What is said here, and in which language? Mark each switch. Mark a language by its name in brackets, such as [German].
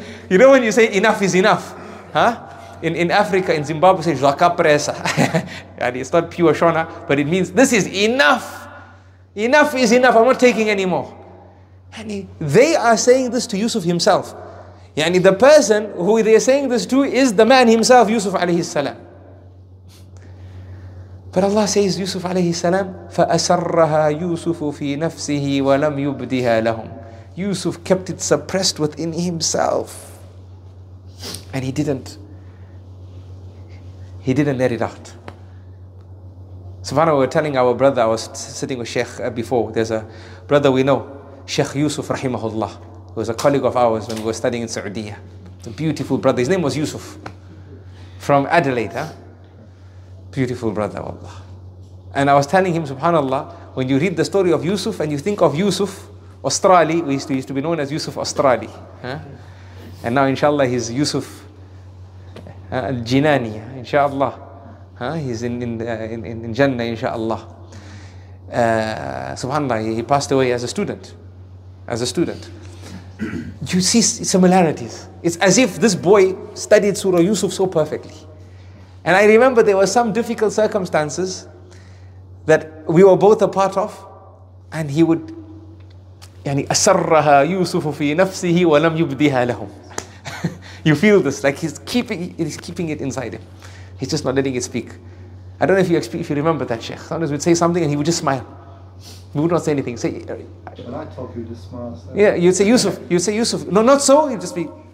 [English] You know when you say enough is enough? Huh? In Africa, in Zimbabwe, say Jaka Presa. And it's not pure Shona, but it means this is enough. Enough is enough. I'm not taking any more. And they are saying this to Yusuf himself. Yani the person who they are saying this to is the man himself, Yusuf alayhi salam. But Allah says, Yusuf alayhi salam, [Arabic] فَأَسَرَّهَا يُوسُفُ فِي نَفْسِهِ وَلَمْ يُبْدِهَا لَهُمْ. [English] Yusuf kept it suppressed within himself. And he didn't let it out. Subhanallah, we were telling our brother, I was sitting with Sheikh before. There's a brother we know, Sheikh Yusuf Rahimahullah, who was a colleague of ours when we were studying in Saudiya. A beautiful brother. His name was Yusuf. From Adelaide, huh? Beautiful brother, Allah. And I was telling him, subhanallah, when you read the story of Yusuf and you think of Yusuf, Australi, he used to be known as Yusuf Australi. Huh? And now, inshallah, he's Yusuf Al-Jinani, inshallah. He's in Jannah, inshallah. Subhanallah, he passed away as a student. As a student. You see similarities. It's as if this boy studied Surah Yusuf so perfectly. And I remember there were some difficult circumstances that we were both a part of, and he would... [Arabic] يعني أسرها يوسف في نفسه ولم يبديها لهم. [English] You feel this, like he's keeping it inside him. He's just not letting it speak. I don't know if you remember that, Sheikh. Sometimes we'd say something and he would just smile. We would not say anything. Say, when I talk, you just smile. So. Yeah, you'd say Yusuf. No, not so. You'd just be.